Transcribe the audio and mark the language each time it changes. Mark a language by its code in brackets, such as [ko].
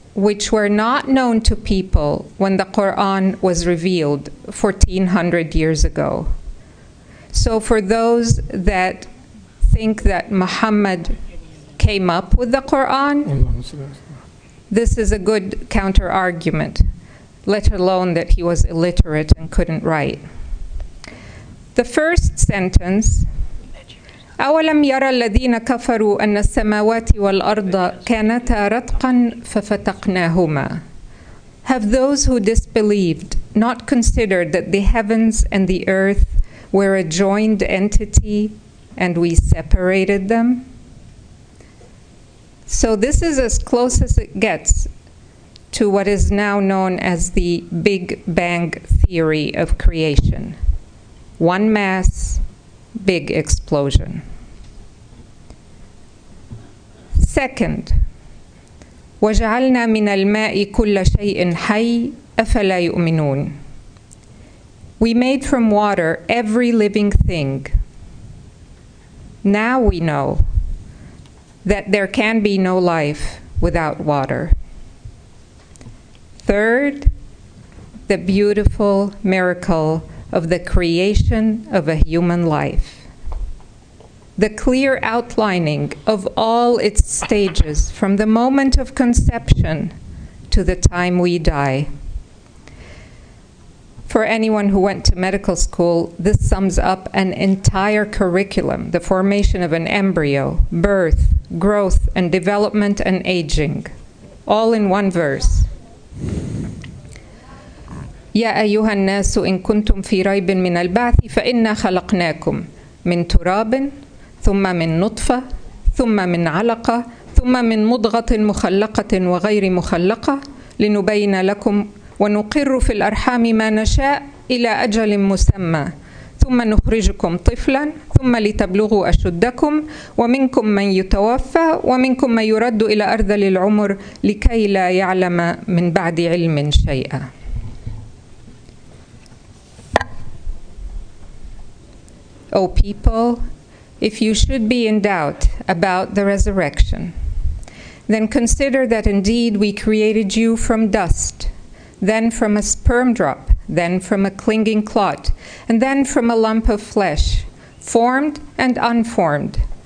[en] which were not known to people when the Quran was revealed 1400 years ago. So for those that think that Muhammad came up with the Quran, this is a good counter argument, let alone that he was illiterate and couldn't write. The first sentence, [ar] أَوَلَمْ يَرَى الَّذِينَ كَفَرُوا أَنَّ السَّمَاوَاتِ وَالْأَرْضَ كَانَتَا رَتْقًا فَفَتَقْنَاهُمَا. [en] Have those who disbelieved not considered that the heavens and the earth were a joined entity and we separated them? So this is as close as it gets to what is now known as the Big Bang theory of creation. One mass, big explosion. Second, [ar] وَجَعَلْنَا مِنَ الْمَاءِ كُلَّ شَيْءٍ حَيٍّ أَفَلَا يُؤْمِنُونَ. [en] We made from water every living thing. Now we know that there can be no life without water. Third, the beautiful miracle of the creation of a human life. The clear outlining of all its stages from the moment of conception to the time we die. For anyone who went to medical school, this sums up an entire curriculum, the formation of an embryo, birth, growth, and development and aging, all in one verse. [ar] يَا أَيُّهَا النَّاسُ إِن كُنْتُمْ فِي رَيْبٍ مِنَ الْبَعْثِ فَإِنَّا خَلَقْنَاكُمْ مِنْ تُرَابٍ ثم من نطفة ثم من علقة ثم من مضغة مخلقة وغير مخلقة لنبين لكم ونقر في الأرحام ما نشاء إلى أجل مسمى ثم نخرجكم طفلا ثم لتبلغوا أشدكم ومنكم من يتوفى ومنكم من يرد إلى أرذل العمر لكي لا يعلم من بعد علم شيئا. [en] O people, if you should be in doubt about the resurrection, then consider that indeed we created you from dust, then from a sperm drop, then from a clinging clot, and then from a lump of flesh, formed and unformed.